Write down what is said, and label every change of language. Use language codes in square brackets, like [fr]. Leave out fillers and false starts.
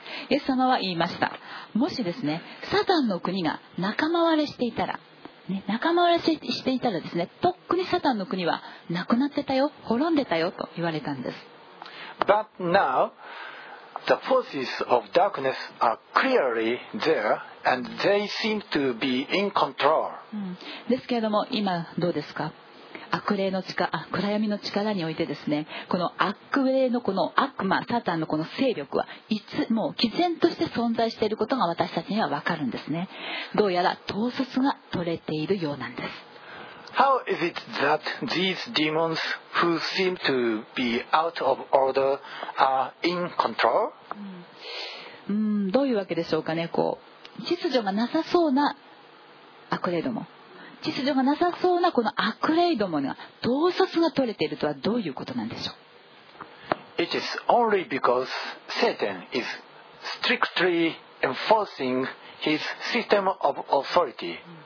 [ja] イエス様は言いました。もしですね、サタンの国が仲間割れしていたら、ね、仲間割れしていたらですね、とっくにサタンの国はなくなってたよ、滅んでたよと言われたんです。 [en] But now,The forces of darkness are clearly there, and they seem to be in control. [ja] ですけれども、今どうですか？悪霊の力、暗闇の力においてですね、この悪霊のこの悪魔、サタンのこの勢力はいつも毅然として存在していることが私たちには分かるんですね。どうやら統率が取れているようなんです。 [en] How is it that these demons who seem to be out of order are in control? [ja] どういうわけでしょうかね。こう、秩序がなさそうな悪霊ども、秩序がなさそうなこの悪霊どもが統率が取れているとはどういうことなんでしょう。 [en] It is only because Satan is strictly enforcing his system of authority.